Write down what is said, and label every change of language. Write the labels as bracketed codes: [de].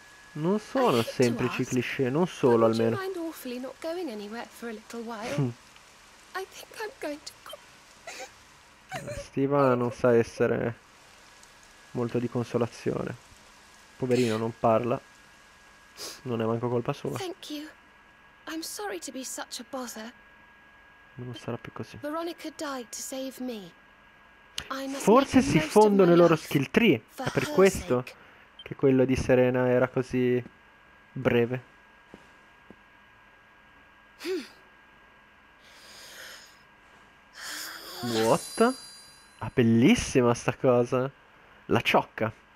[it] Non sono semplici cliché, non solo almeno. Steva non sa essere molto di consolazione. Poverino, non parla. Non è manco colpa sua. [en] Thank you. I'm sorry to be such a bother. [it] Non sarà più così. [en] Veronica died to save me. [it] Forse si fondono i loro skill tree. È per questo che quello di Serena era così breve. [en] What? [it] Ah, bellissima sta cosa. La ciocca.